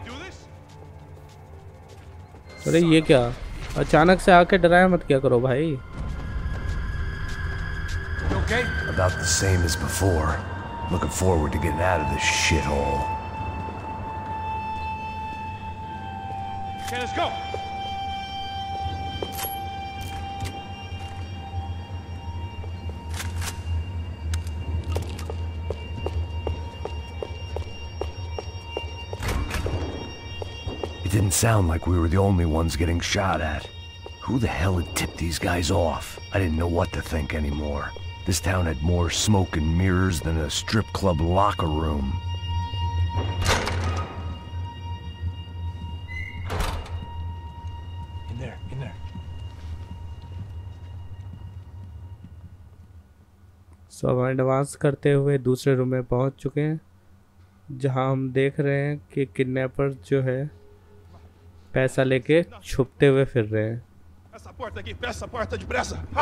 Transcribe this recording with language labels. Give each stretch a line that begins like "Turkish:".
Hindi: अरे ये क्या, अचानक से आके डराया मत क्या करो भाई।
English: Okay. About the same as before. Looking forward to getting out of this shithole. Okay, let's go. Didn't sound like we were the only ones getting shot at. Who the hell had tipped these guys off? I didn't know what to think anymore. This town had more smoke and mirrors than a strip club locker room. In there.
Hindi: So हम advance करते हुए दूसरे room में पहुंच चुके हैं, जहां हम देख रहे हैं कि किडनैपर जो है पैसा लेके छुपते हुए फिर रहे हैं।
Portuguese: Essa porta aqui, peça a porta de pressa.